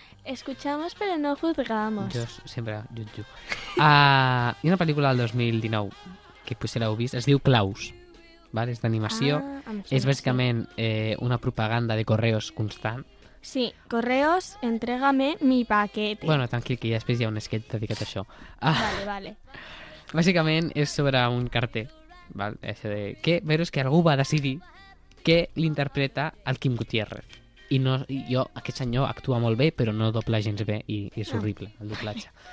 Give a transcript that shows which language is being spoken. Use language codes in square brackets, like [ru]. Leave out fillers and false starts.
[es] Escuchamos, pero no juzgamos. [ca] Jo sempre jutjo. Hi ha una pel·lícula del 2019 que potser l'heu vist. Es diu Klaus. Val? És d'animació. Ah, és bàsicament una propaganda de correos constant. [es] Sí, correos, entrégame mi paquete. [ca] Bueno, tranquil, que ja després hi ha un sketch dedicat a això. Vale. Bàsicament és sobre un carter, val? Això de... que, però és que algú va decidir que l'interpreta el Kim Gutiérrez. I no, jo, aquest senyor actua molt bé, però no dobla gens bé i és horrible, el doblatge.